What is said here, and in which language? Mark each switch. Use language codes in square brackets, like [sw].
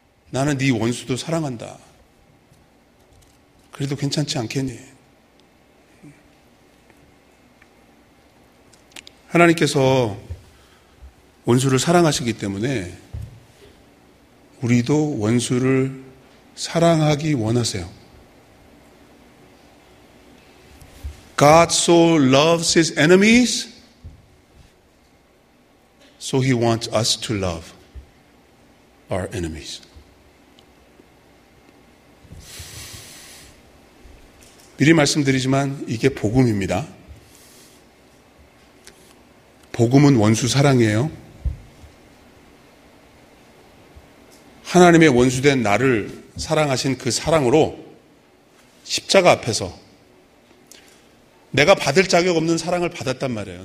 [ko] 나는 네 원수도 사랑한다. 그래도 괜찮지 않겠니? 하나님께서 원수를 사랑하시기 때문에 우리도 원수를 사랑하기 원하세요. [en] God so loves his enemies, so he wants us to love our enemies. [ko] 미리 말씀드리지만 이게 복음입니다. 복음은 원수 사랑이에요. 하나님의 원수된 나를 사랑하신 그 사랑으로 십자가 앞에서 내가 받을 자격 없는 사랑을 받았단 말이에요.